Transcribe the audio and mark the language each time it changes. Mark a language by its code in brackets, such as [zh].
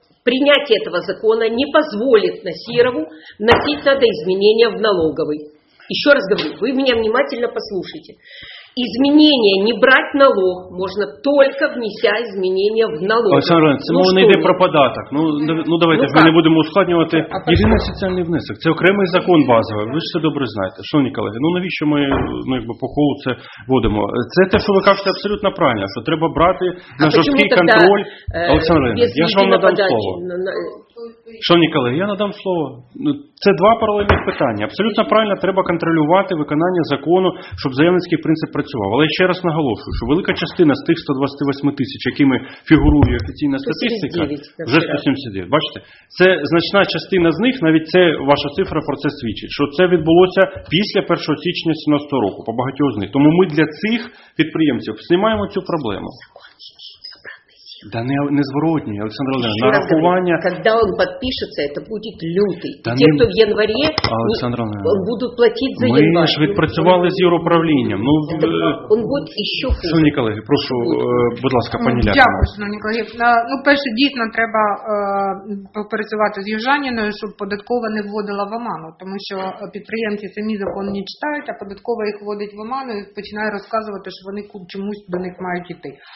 [uk] Прийняття цього закону не дозволить Насірову вносити надо змінення в налоговий. [ru] Еще раз говорю, вы меня внимательно послушайте. Изменения не брать налог можно только внеся изменения в налог. [uk] Олександр Іванович, мова не йде про податок. Ну давайте, ми не будемо ускладнювати. Єдиний соціальний внесок. Це окремий закон базовий. Ви ж це добре знаєте. Шановні колеги, ну навіщо ми по колу це водимо? Це те, що ви кажете, абсолютно правильно, що треба брати на жорсткий контроль. Олександр Іванович, я ж вам надам слово. Шановні колеги, я надам слово. Це 2 паралельних питання. Абсолютно правильно, треба контролювати виконання закону, щоб заявницький принцип працював. Але я ще раз наголошую, що велика частина з тих 128 тисяч, якими фігурує офіційна статистика, вже 179. Бачите, це значна частина з них, навіть це ваша цифра про це свідчить, що це відбулося після 1 січня 2017 року, по багатьох з них. Тому ми для цих підприємців знімаємо цю проблему. Закон, який забраний, Да не зворотній, Олександр Володимирович, нарахування... [ru] Когда он подпишется, это будет лютый. Да те, кто в январе, будут платить за январь. Мы же [uk] відпрацювали з юруправлінням. Ну, [ru] он будет еще хуже. [uk] Шановні колеги, прошу, будь ласка, пані Ляхова. Дякую, шановні колеги. Ну, перше, дійсно, треба попрацювати з Южаніною, щоб податкова не вводила в оману. Тому що підприємці самі закон не читають, а податкова їх вводить в оману і починає розказувати, що вони чомусь до них мають йти.